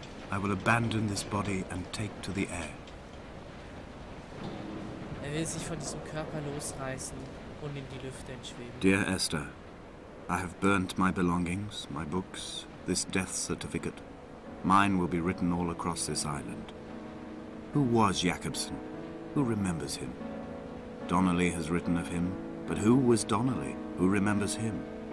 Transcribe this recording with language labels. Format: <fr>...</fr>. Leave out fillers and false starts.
<en>I will abandon this body and take to the air.</en> <de>Er will sich von diesem Körper losreißen. Und in die Lüfte entschweben.</de> <en>Dear Esther, I have burnt my belongings, my books, this death certificate. Mine will be written all across this island. Who was Jakobsen? Who remembers him? Donnelly has written of him, but who was Donnelly? Who remembers him?</en>